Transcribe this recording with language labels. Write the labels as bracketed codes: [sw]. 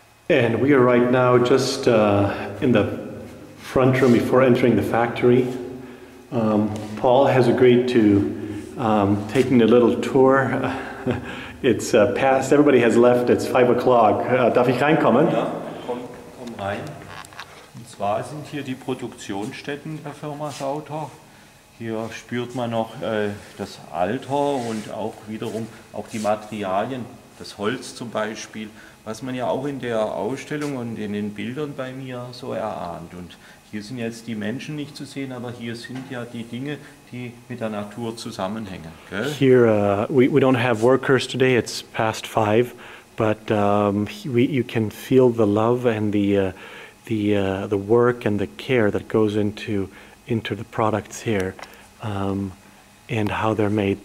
[en] And we are right now just in the front room before entering the factory. Paul has agreed to taking a little tour. It's past, everybody has left, it's 5 o'clock. [de] Darf ich reinkommen? Ja, komm rein. Und zwar sind hier die Produktionsstätten der Firma Sauter. Hier spürt man noch das Alter und auch wiederum auch die Materialien, das Holz zum Beispiel. Was man ja auch in der Ausstellung und in den Bildern bei mir so erahnt. Und hier sind jetzt die Menschen nicht zu sehen, aber hier sind ja die Dinge, die mit der Natur zusammenhängen. Gell? [en] Here we don't have workers today. It's past five, but you can feel the love and the work and the care that goes into the products here, and how they're made.